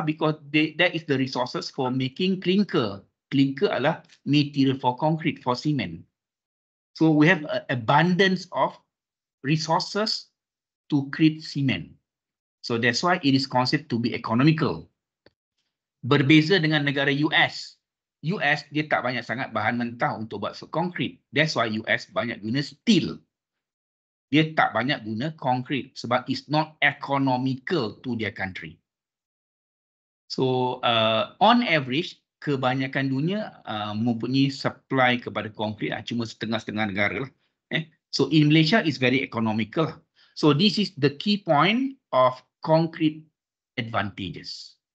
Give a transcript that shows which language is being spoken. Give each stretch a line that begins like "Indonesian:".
English: Because that is the resources for making clinker.
Malay: Clinker adalah material
English: for concrete, for cement. So we have an abundance of resources to create cement. So that's why it is considered to be economical.
Malay: Berbeza dengan negara US. US dia tak banyak sangat bahan mentah untuk buat concrete.
English: That's why
Malay: US banyak guna steel. Dia tak banyak guna concrete sebab
English: it's not economical to their country. So on average,
Malay: kebanyakan dunia mempunyai supply kepada concrete lah, cuma setengah-setengah negara lah.
English: Eh? So in Malaysia is very economical lah. So this is the key point of concrete advantages.